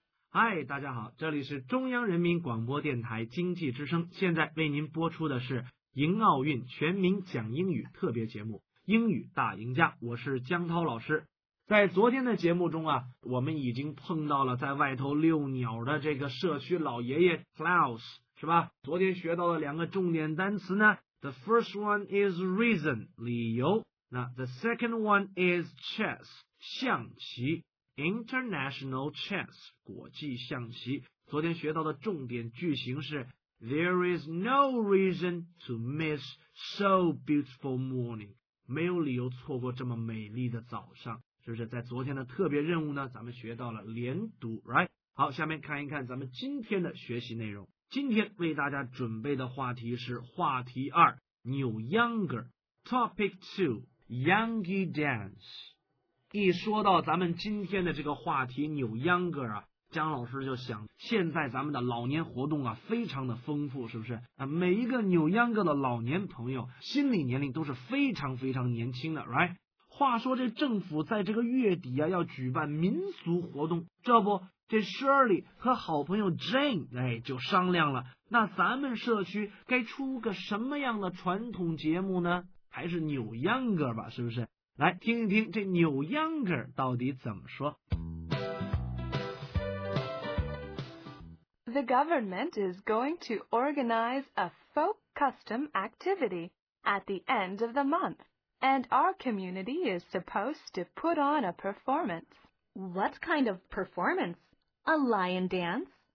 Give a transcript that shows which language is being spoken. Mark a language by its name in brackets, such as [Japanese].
[Chinese] 嗨，大家好，这里是中央人民广播电台经济之声，现在为您播出的是迎奥运全民讲英语特别节目英语大赢家，我是江涛老师。在昨天的节目中啊，我们已经碰到了在外头遛鸟的这个社区老爷爷 Klaus， 是吧？昨天学到了两个重点单词呢， [English] The first one is reason， [Chinese] 理由。 [English] 那 The second one is chess， 象棋，International chess， 国际象棋。 [Chinese] 昨天学到的重点句型是 [English] There is no reason to miss so beautiful morning， [Chinese] 没有理由错过这么美丽的早上，是不是？在昨天的特别任务呢，咱们学到了连读， right？好，下面看一看咱们今天的学习内容。今天为大家准备的话题是话题二， New Younger Topic 2， Youngie Dance。一说到咱们今天的这个话题 New Younger 啊，江老师就想，现在咱们的老年活动啊非常的丰富，是不是？啊，每一个 New Younger 的老年朋友心理年龄都是非常非常年轻的， right？话说这政府在这个月底啊要举办民俗活动，这不这 Shirley 和好朋友 Jane 哎就商量了，那咱们社区该出个什么样的传统节目呢？还是 New Younger 吧，是不是？来听一听这 New Younger 到底怎么说。 [English] The government is going to organize a folk custom activity at the end of the month, and our community is supposed to put on a performance. What kind of performance? A lion dance?